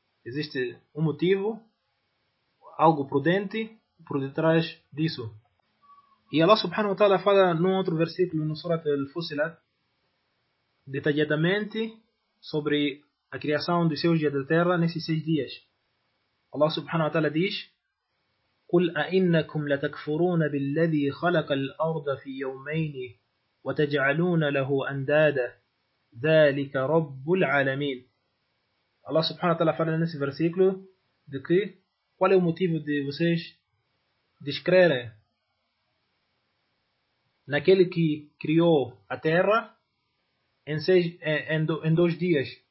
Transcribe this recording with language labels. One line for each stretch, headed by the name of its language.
Portuguese: Existe um motivo, algo prudente por detrás disso. E Allah subhanahu wa ta'ala fala num outro versículo, no Surat al-Fusilat, detalhadamente sobre a criação dos céus e da terra nesses seis dias.
Arabic: Allah subhanahu wa ta'ala diz: قُلْ أَإِنَّكُمْ لَتَكْفُرُونَ بِالَّذِي خَلَقَ الْأَرْضَ فِي يَوْمَيْنِ وَتَجْعَلُونَ لَهُ أَنْدَادَ ذَلِكَ رَبُّ الْعَالَمِينَ.
Portuguese: Allah subhanahu wa ta'ala fala nesse versículo de que qual é o motivo de vocês descrerem naquele que criou a terra em dois dias.